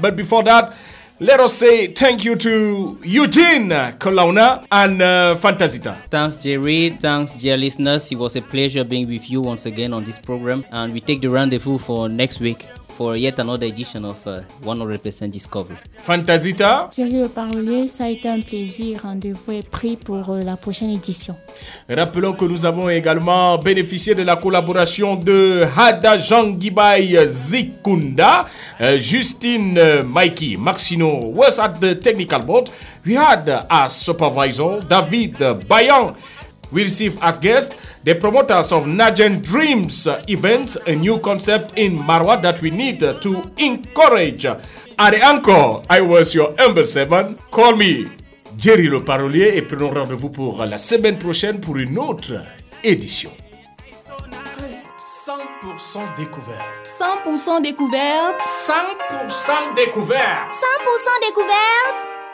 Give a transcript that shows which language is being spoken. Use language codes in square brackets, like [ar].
[en] But before that, let us say thank you to Eugene Kolauna and Fantasita. Thanks, Jerry. Thanks, dear listeners. It was a pleasure being with you once again on this program. And we take the rendezvous for next week for yet another edition of 100% Discovery. Fantasita. [fr] Jerry Le Parolier, ça a été un plaisir. Rendez-vous est pris pour la prochaine édition. Rappelons que nous avons également bénéficié de la collaboration de Hada Jean-Gibay Zikunda, Justine Mikey, Maxino [en] was at the technical board. We had as supervisor David Bayan. We receive as guest the promoters of Nagen Dreams events, a new concept in Marwa that we need to encourage. Ari encore, I was your humble servant. Call me [fr] Jerry Le Parolier et prenons rendez-vous pour la semaine prochaine pour une autre édition. 100% découverte. 100% découverte. 100% découverte. 100% découverte.